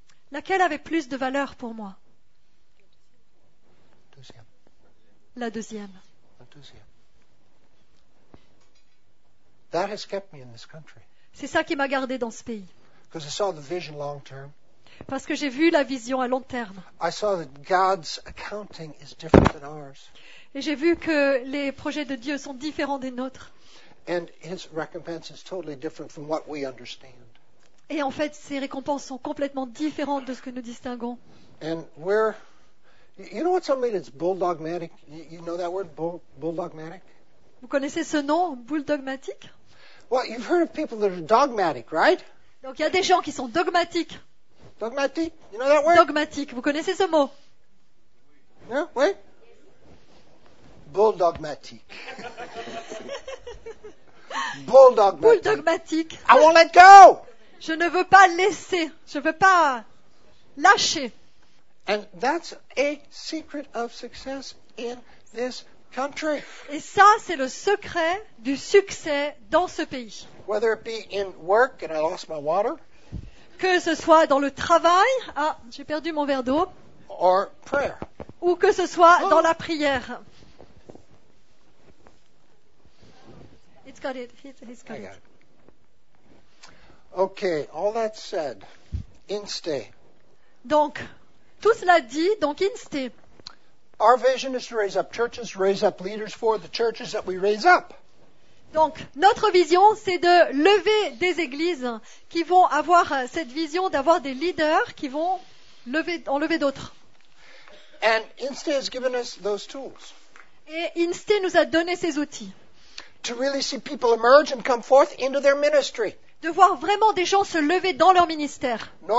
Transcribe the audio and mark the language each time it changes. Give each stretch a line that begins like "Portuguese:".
French: Laquelle avait plus de valeur pour moi? Deuxième. La deuxième. La deuxième.
English: That has kept me in this country.
French: C'est ça qui m'a gardé dans ce pays.
English: Because I saw the vision long term.
French: Parce que j'ai vu la vision à long terme.
English: I saw that God's accounting is different than ours.
French: Et j'ai vu que les projets de Dieu sont différents des nôtres.
English: And his recompense is totally different from what we understand.
French: Et en fait, ces récompenses sont complètement différentes de ce que nous distinguons.
English: And we're, you know what something that's bulldogmatic? You know that word, bulldogmatic?
French: Vous connaissez ce nom, bulldogmatique?
English: Well, you've heard of people that are dogmatic, right?
French: Donc il y a des gens qui sont dogmatiques.
English: Dogmatic? You know that word?
French: Dogmatique. Vous connaissez ce mot? Yeah, oui? Bulldogmatique. Bulldogmatique. Bulldogmatique.
English: I won't let go!
French: Je ne veux pas laisser, je ne veux pas lâcher.
English: And that's a secret of success in this country.
French: Et ça, c'est le secret du succès dans ce pays.
English: Whether it be in work and I lost my water.
French: Que ce soit dans le travail, ah, j'ai perdu mon verre d'eau.
English: Or prayer.
French: Ou que ce soit oh. Dans la prière.
English: It's got it. He's got it. Okay, all that said, instay.
French: Donc, tout cela dit, donc instay.
English: Our vision is to raise up churches, raise up leaders for the churches that we raise up.
French: Donc, notre vision, c'est de lever des églises qui vont avoir cette vision d'avoir des leaders qui vont enlever d'autres.
English: And instay has given us those tools.
French: Et instay nous a donné ces outils.
English: To really see people emerge and come forth into their ministry.
French: De voir vraiment des gens se lever dans leur ministère.